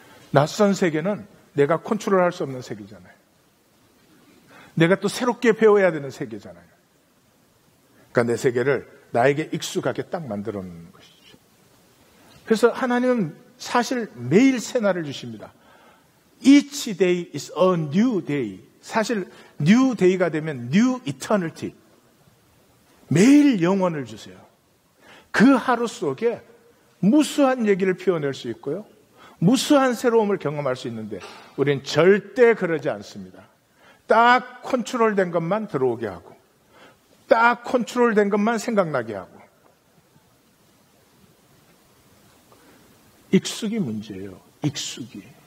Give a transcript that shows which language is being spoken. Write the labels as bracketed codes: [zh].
[ko] 낯선 세계는 내가 컨트롤할 수 없는 세계잖아요. 내가 또 새롭게 배워야 되는 세계잖아요. 그러니까 내 세계를 나에게 익숙하게 딱 만들어 놓는 것이죠. 그래서 하나님은 사실 매일 새날을 주십니다. [en] Each day is a new day. [ko] 사실 [en] new day [ko] 가 되면 [en] new eternity. [ko] 매일 영원을 주세요. 그 하루 속에 무수한 얘기를 피워낼 수 있고요. 무수한 새로움을 경험할 수 있는데 우린 절대 그러지 않습니다. 딱 컨트롤된 것만 들어오게 하고 딱 컨트롤된 것만 생각나게 하고 익숙이 문제예요. 익숙이.